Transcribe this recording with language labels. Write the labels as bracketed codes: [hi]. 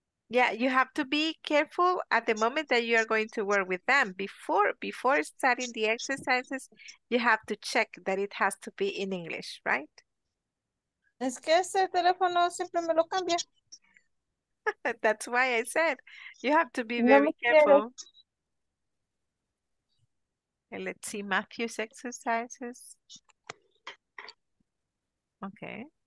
[en] Yeah, you have to be careful at the moment that you are going to work with them. Before starting the exercises, you have to check that it has to be in English, right? [es] Es que ese teléfono siempre me lo cambia. [en] That's why I said you have to be no very careful. [es] Quiero. [en] Let's see Matthew's exercises. Okay.